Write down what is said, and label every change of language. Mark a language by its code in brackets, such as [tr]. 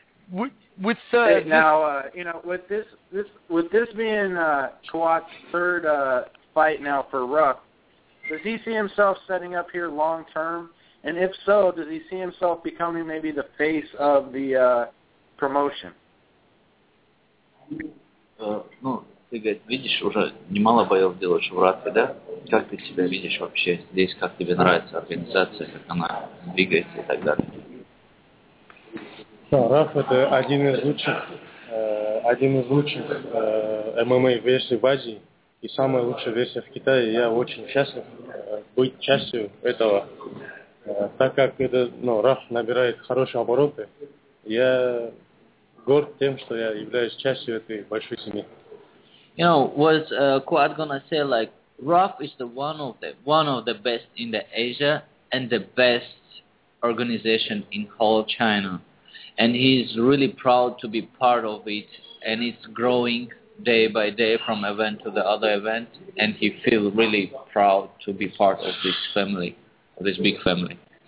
[en] With this being Kawat's third fight now for Ruff, does he see himself setting up here long term? And if so, does he see himself becoming maybe the face of the promotion? [ru] Ты говоришь, видишь, уже немало боев делаешь в Рафе, да? Как ты себя видишь вообще здесь, как тебе нравится организация, как она двигается и так далее? Ну, Раф – это один из лучших ММА-версий в Азии и самая лучшая версия в Китае. Я очень счастлив быть частью этого, так как это, ну, Раф набирает хорошие обороты. Я горд тем, что я являюсь частью этой большой семьи. [en] You know, was Kawat gonna say like Ruff is the one of the best in the Asia and the best organization in whole China, and he's really proud to be part of it, and it's growing day by day from event to the other event, and he feels really proud to be part of this family, of this big family.